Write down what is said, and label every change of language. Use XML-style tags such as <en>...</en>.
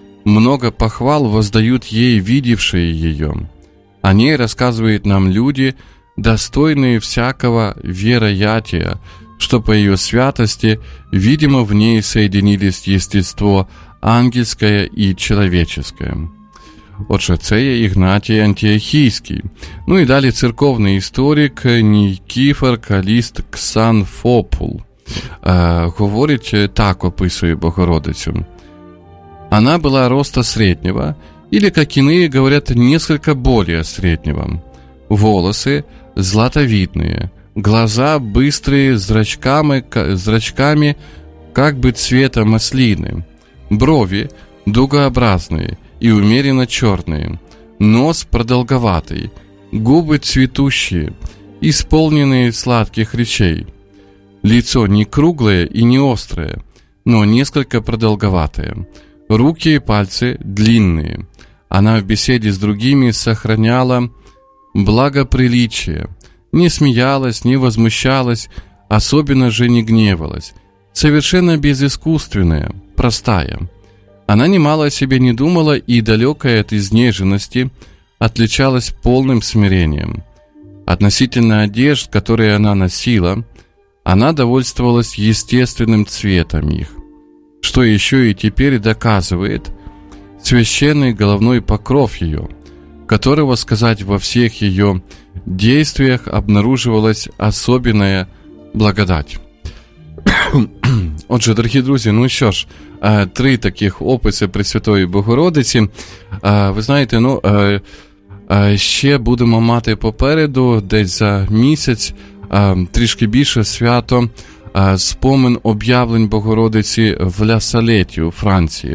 <ru>Много похвал воздают ей видевшие ее. О ней рассказывают нам люди, достойные всякого вероятия, что по ее святости, видимо, в ней соединились естество</ru> <uk>ангельське і чоловіче». Отже, це є Ігнатій Антіохійський. Ну і далі церковний історик Нікіфор Каліст Ксанфопул говорить, так описує Богородицю.</uk> <ru>«Она была роста среднего, или, как иные говорят, несколько более среднего. Волосы златовидные, глаза быстрые, зрачками как бы цвета маслины. Брови дугообразные и умеренно черные, нос продолговатый,</ru> <uk>губи цвітущі, і сповнені сладких речей.</uk> <ru>Лицо не</ru> <uk>кругле і не остре,</uk> <ru>но несколько продолговатое. Руки и пальцы длинные. Она в беседе с другими сохраняла благоприличие. Не смеялась, не возмущалась, особенно же не гневалась. Совершенно безыскусственная, простая. Она немало о себе не думала и, далекая от изнеженности, отличалась полным смирением. Относительно одежд, которые она носила, она довольствовалась естественным цветом их. Что еще и теперь доказывает священный головной покров ее, которого, сказать, во всех ее действиях обнаруживалась особенная благодать.</ru> <uk>Отже, дорогі друзі, ну що ж, три таких описи Пресвятої Богородиці. Ви знаєте, ну, ще будемо мати попереду, десь за місяць, трішки більше свято, спомин об'явлень Богородиці в Ла-Салеті у Франції.</uk>